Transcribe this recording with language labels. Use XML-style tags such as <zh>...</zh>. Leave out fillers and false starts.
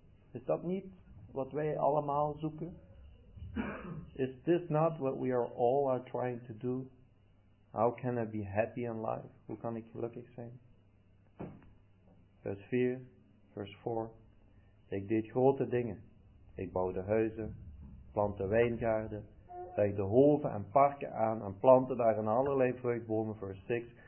<nl>Is dat niet wat wij allemaal zoeken?</nl> <en>Is this not what we are all are trying to do? How can I be happy in life?</en> <nl>Hoe kan ik gelukkig zijn? Vers 4, vers 4. Ik deed grote dingen. Ik bouwde huizen, plantte wijngaarden, legde hoven en parken aan en plantte daar in allerlei vruchtbomen. Vers 6.</nl>